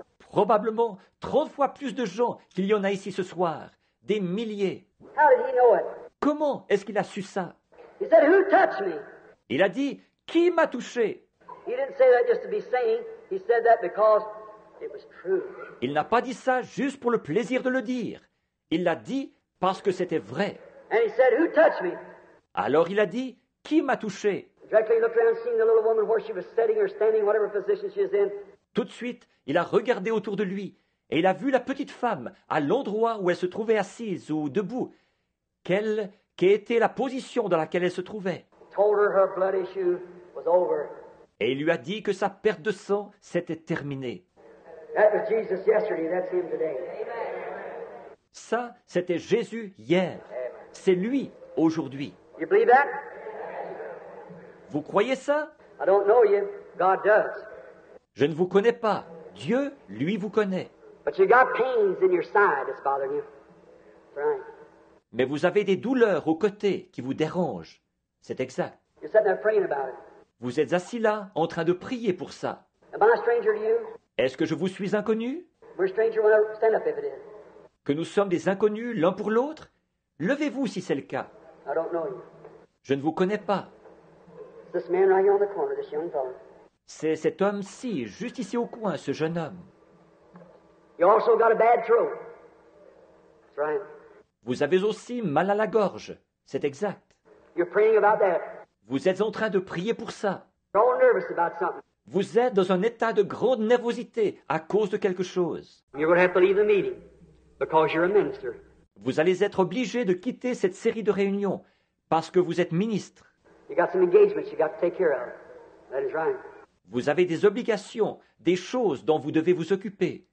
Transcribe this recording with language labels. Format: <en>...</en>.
<fr>Probablement 30 fois plus de gens qu'il y en a ici ce soir, des milliers.</fr> <en>How did he know it?</en> <fr>Comment est-ce qu'il a su ça?</fr> <en>He said, who touched me?</en> <fr>Il a dit, qui m'a touché?</fr> <en>He didn't say that just to be saying. He said that because it was true.</en> <fr>Il n'a pas dit ça juste pour le plaisir de le dire. Il l'a dit parce que c'était vrai.</fr> <en>And he said, who touched me?</en> <fr>Alors il a dit, qui m'a touché?</fr> <en>Directly looked around, seeing the little woman where she was sitting or standing, whatever position she is in.</en> <fr>Tout de suite, il a regardé autour de lui et il a vu la petite femme à l'endroit où elle se trouvait assise ou debout. Quelle qu'était la position dans laquelle elle se trouvait?</fr> <en>Told her her blood issue was over.</en> <fr>Et il lui a dit que sa perte de sang s'était terminée.</fr> <en>That was Jesus yesterday, that's him today.</en> <fr>Ça, c'était Jésus hier. C'est lui aujourd'hui.</fr> <en>You believe that?</en> <fr>Vous croyez ça?</fr> <en>I don't know you. God does.</en> <fr>Je ne vous connais pas. Dieu, lui, vous connaît.</fr> <en>But you got pains in your side that's bothering you. That's right.</en> <fr>Mais vous avez des douleurs aux côtés qui vous dérangent. C'est exact.</fr> <en>You're sitting there praying about it.</en> <fr>Vous êtes assis là, en train de prier pour ça.</fr> <en>Am I a stranger to you?</en> <fr>Est-ce que je vous suis inconnu?</fr> <en>We're a stranger when I stand up if it is.</en> <fr>Que nous sommes des inconnus l'un pour l'autre? Levez-vous si c'est le cas.</fr> <en>I don't know you.</en> <fr>Je ne vous connais pas.</fr> <en>This man right here on the corner, this young fellow.</en> <fr>C'est cet homme-ci, juste ici au coin, ce jeune homme.</fr> <en>You also got a bad throat. That's right.</en> <fr>Vous avez aussi mal à la gorge, c'est exact.</fr> <en>You're praying about that.</en> <fr>Vous êtes en train de prier pour ça.</fr> <en>You're all nervous about something.</en> <fr>Vous êtes dans un état de grande nervosité à cause de quelque chose.</fr> <en>You're going to have to leave the meeting because you're a minister.</en> <fr>Vous allez être obligé de quitter cette série de réunions parce que vous êtes ministre.</fr> <en>You got some engagements you got to take care of. That is right.</en> <fr>Vous avez des obligations, des choses dont vous devez vous occuper.</fr>